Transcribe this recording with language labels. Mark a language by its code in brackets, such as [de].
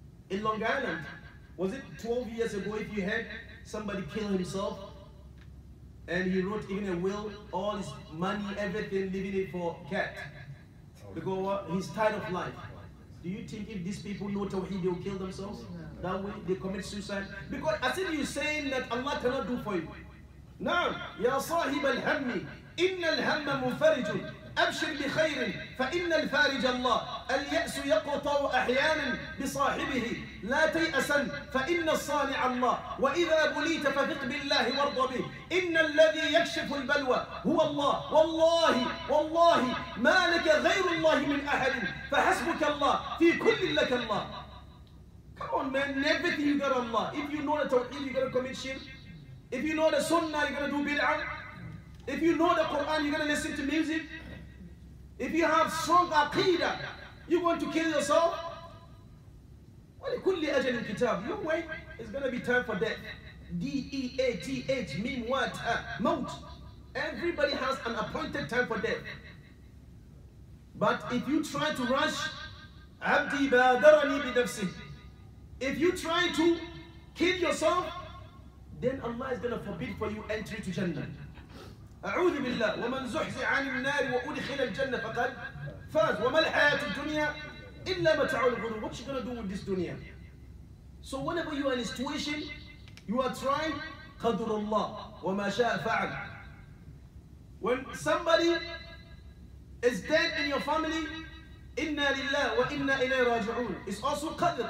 [en] In Long Island, was it 12 years ago, if you had somebody kill himself, and he wrote even a will, all his money, everything, leaving it for cat. Because what? He's tired of life. Do you think if these people know tawheed, they'll kill themselves? That way, they commit suicide? Because as if you're saying that Allah cannot do for you. Now, [ar] ya sahib al-hammi, inna al-hamma mufarijun, أبشر بخير فإن الفارج الله. اليأس يقطع أحيانا بصاحبه، لا تيأسا فإن الصانع الله. وإذا بليت فثق بالله وارض به، إن الذي يكشف البلوى هو الله. والله والله ما لك غير الله من أحد، فحسبك الله في كل لك الله. [en] Come on man, everything you got Allah. If you know the Tawheed, you're gonna commit shirk. If you know the Sunnah, you're gonna do bid'ah. If you know the Quran, you're gonna listen to music. If you have strong aqidah, you want to kill yourself. [ar] وَلِكُلِّ أَجَلٍ كِتَابٍ. [en] You wait, it's gonna be time for death. D-E-A-T-H, mean what? Mount. Everybody has an appointed time for death. But if you try to rush, [ar] عَبْدِي بَادَرَنِي بِنَفْسِهِ. [en] If you try to kill yourself, then Allah is going to forbid for you entry to Jannah. [ar] أعوذ بالله ومن زحزح عن النار وأدخل الجنة فقد فاز وما الحياة الدنيا إلا متاع الغرور. [en] What you going to do with this dunya? So whenever you are in a situation, you are trying [ar] قدر الله وما شاء فعل. [en] When somebody is dead in your family, [ar] إنا لله وإنا إليه راجعون. [en] It's also قدر.